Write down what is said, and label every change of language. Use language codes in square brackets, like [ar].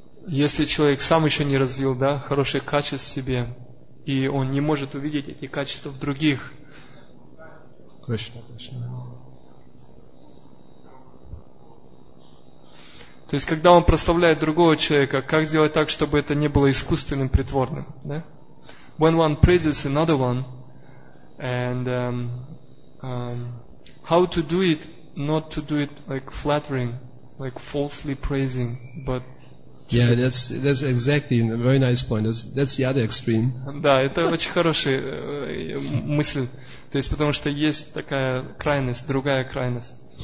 [ru] Если человек сам еще не развил, да, хорошие качества в себе, и он не может увидеть эти качества в других. Krishna, Krishna. То есть, когда он прославляет другого человека, как сделать так, чтобы это не было искусственным, притворным? Да? [en] When one praises another one, and how to do it, not to do it like flattering, like falsely praising, but yeah, that's exactly a very nice point. That's the other extreme. [ru] Да, это очень хорошая мысль. То есть, потому что есть такая крайность, другая крайность.